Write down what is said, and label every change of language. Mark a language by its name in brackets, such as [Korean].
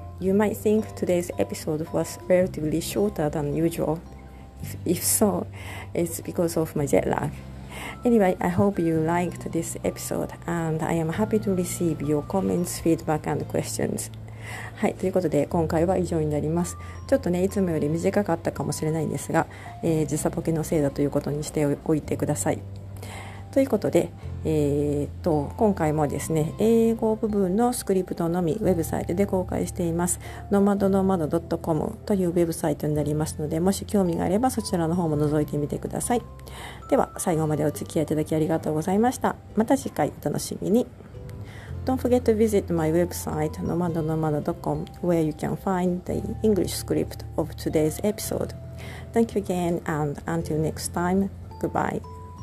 [English] You might think today's episode was relatively shorter than usual. If so, it's because of my jet lag. Anyway, I hope you liked this episode and I am happy to receive your comments, feedback and questions. [Japanese] はい、ということで今回は以上になります。ちょっとね、いつもより短かったかもしれないんですが、時差ボケのせいだということにしておいてください。ということで、今回もですね、英語部分のスクリプトのみウェブサイトで公開しています。 nomadnomad.com というウェブサイトになりますので、もし興味があればそちらの方も覗いてみてください。では、最後までお付き合いいただきありがとうございました。また次回お楽しみに。 [English] Don't forget to visit my website nomadnomad.com where you can find the English script of today's episode. Thank you again and until next time. Goodbye.